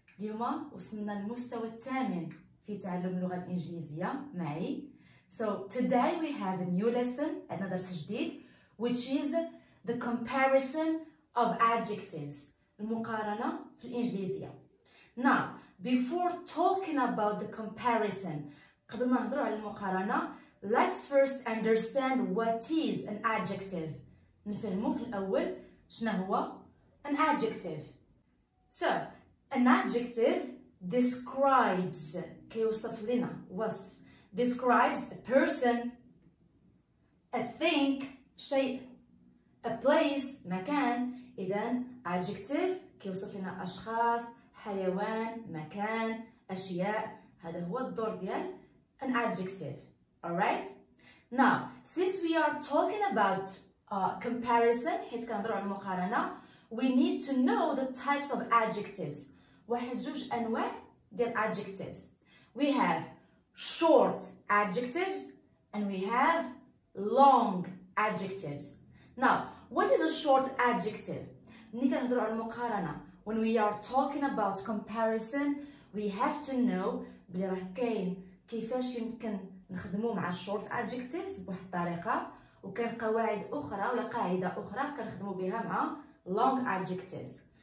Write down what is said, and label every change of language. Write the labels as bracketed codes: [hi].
[ar] اليوم وصلنا للمستوى الثامن في تعلم اللغة الإنجليزية معي. [en] So today we have a new lesson, another جديد, which is the comparison of adjectives. [ar] المقارنة في الإنجليزية. [en] Now, before talking about the comparison, [ar] قبل ما نهضروا على المقارنة, [en] let's first understand what is an adjective. [ar] نفهمو في الأول شنو هو an adjective. [en] So, an adjective describes, [ar] كيوصف لنا وصف, [en] describes a person, a thing, شيء, a place, مكان. [ar] إذن adjective كيوصف لنا أشخاص, حيوان, مكان, أشياء. هذا هو الدور ديال an adjective. [en] Alright? Now, since we are talking about comparison, [ar] حيت كنهضروا على المقارنة, [en] we need to know the types of adjectives. [ar] واحد جوج أنواع ديال adjectives. [en] We have short adjectives and we have long adjectives. Now, what is a short adjective? [ar] ملي كنهضروا على المقارنة, [en] when we are talking about comparison, [ar] we have to know بلي راه كاين كيفاش يمكن نخدمو مع short adjectives بواحد الطريقة, وكاين قواعد أخرى ولا قاعدة أخرى كنخدمو بها مع long adjectives.